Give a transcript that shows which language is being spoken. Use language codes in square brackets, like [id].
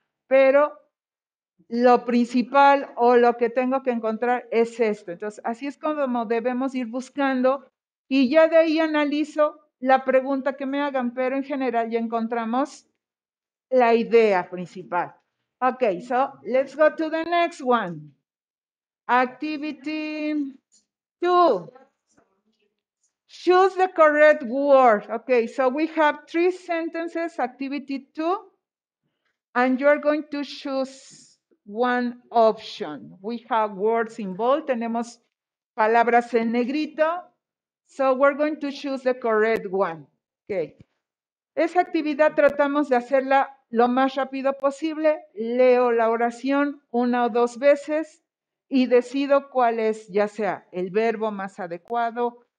[es] Pero lo principal o lo que tengo que encontrar es esto. Entonces, así es como debemos ir buscando. Y ya de ahí analizo la pregunta que me hagan, pero en general ya encontramos la idea principal. [en] Ok, so let's go to the next one. Activity two. Choose the correct word. Ok, so we have three sentences, activity two. And you're going to choose one option. We have words involved. [es] Tenemos palabras en negrito. [en] So we're going to choose the correct one. Okay. [es] Esa actividad tratamos de hacerla lo más rápido posible. Leo la oración una o dos veces y decido cuál es, ya sea el verbo más adecuado.